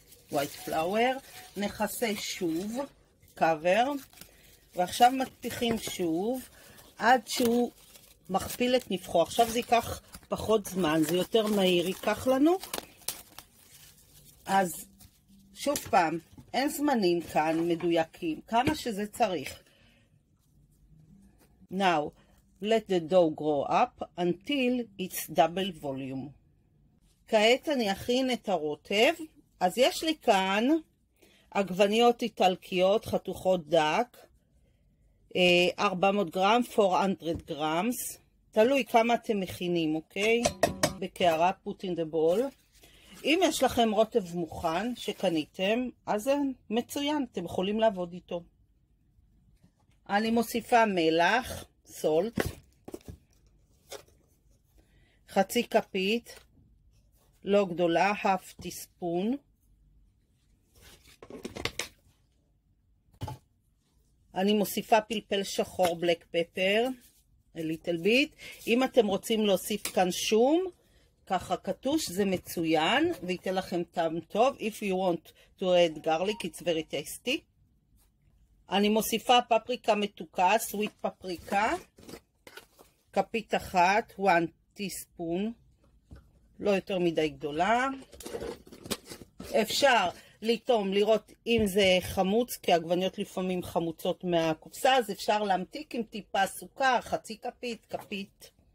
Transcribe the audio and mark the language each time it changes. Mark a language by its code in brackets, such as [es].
[he] White flower, נכסה שוב, cover, ועכשיו מטפיחים שוב, עד שהוא מכפיל את נפחו. עכשיו זה ייקח פחות זמן, זה יותר מהיר ייקח לנו. אז שוב פעם, אין זמנים כאן מדויקים, כמה שזה צריך. [en] Now, let the dough grow up until it's double volume. [he] כעת אני אכין את הרוטב. אז יש לי כאן עגבניות איטלקיות חתוכות דק, 400 גרם, 400 גרם, תלוי כמה אתם מכינים, אוקיי? בקערה, put in the bowl. אם יש לכם רוטב מוכן שקניתם, אז זה מצוין, אתם יכולים לעבוד איתו. אני מוסיפה מלח, salt, חצי כפית, לא גדולה, half teaspoon. אני מוסיפה פלפל שחור, black pepper, a little bit. אם אתם רוצים להוסיף כאן שום, ככה קטוש, זה מצוין, וייתן לכם טעם טוב. [en] If you want to add garlic, it's very tasty. [he] אני מוסיפה פפריקה מתוקה, sweet פפריקה, כפית אחת, one teaspoon, לא יותר מדי גדולה. אפשר לטעום, לראות אם זה חמוץ, כי עגבניות לפעמים חמוצות מהקופסה, אז אפשר להמתיק עם טיפה סוכר, חצי כפית, כפית.